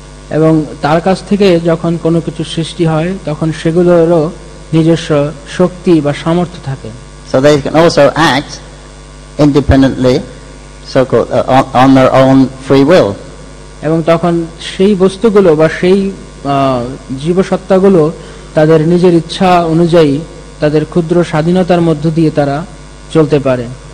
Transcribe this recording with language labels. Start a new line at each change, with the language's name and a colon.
Bangla: এবং তার কাছ থেকে যখন কোনো কিছু সৃষ্টি হয় তখন সেগুলোরও নিজস্ব শক্তি বা সামর্থ্য থাকে।
English: So they can also act independently, so-called, on their own free will.
Bangla: এবং তখন সেই বস্তুগুলো বা সেই জীবসত্তাগুলো তাদের নিজের ইচ্ছা অনুযায়ী তাদের ক্ষুদ্র স্বাধীনতার মধ্য দিয়ে তারা চলতে পারে।